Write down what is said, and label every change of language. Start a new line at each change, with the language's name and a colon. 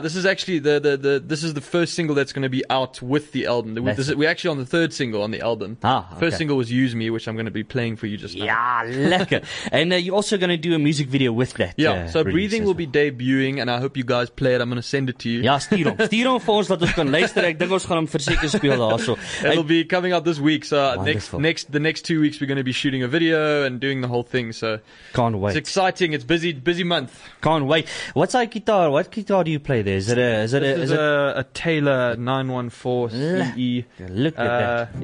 English: This is actually the first single that's going to be out with the album. We're actually on the third single on the album. First single was Use Me, which I'm going to be playing for you just now. Yeah, lekker. And you're also going to do a music video with that. Yeah. So Breathing will be debuting, and I hope you guys play it. I'm going to send it to you.
Afrikaans: Yeah, stuur hom vir ons dat ons kan luister. Ek dink ons gaan hom verseker speel daarso.
English: It'll be coming out this week. So next 2 weeks we're going to be shooting a video and doing the whole thing. So can't wait. It's exciting. It's busy month. Can't wait. What's our guitar? What guitar do you play there? Is it a Taylor 914 CE? Look at that.